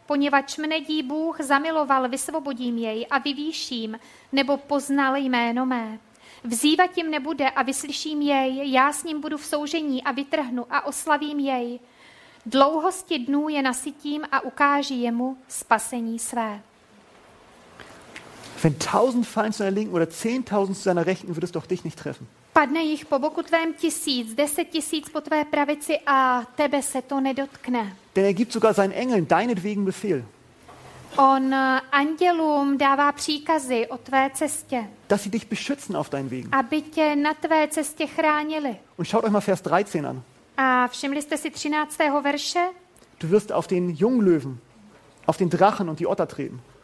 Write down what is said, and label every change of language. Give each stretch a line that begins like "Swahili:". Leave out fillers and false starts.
Czech: Poněvadž mne dí Bůh zamiloval, vysvobodím jej a vyvýším, nebo poznal jméno mé. Vzývat jim nebude a vyslyším jej, já s ním budu v soužení a vytrhnu a oslavím jej. Dlouhosti dnů je nasytím a ukáží jemu spasení své.
German: Wenn 1000 fallen zu deiner linken oder 10.000 zu deiner rechten, würdest doch dich nicht treffen.
Czech: Padne jich po boku tvém 1000, 10 000 po tvé pravici a tebe se to nedotkne.
German: Denn er gibt sogar seinen Engeln deinetwegen Befehl.
Czech: On andělům dává příkazy o tvé cestě.
German: Dass sie dich beschützen auf deinen Wegen.
Czech: Aby tě na tvé cestě chránili.
German: Und schaut euch mal Vers 13 an.
Czech: A všimli jste si 13. verše?
German: Du wirst auf den Junglöwen, auf den Drachen und die Otter treten.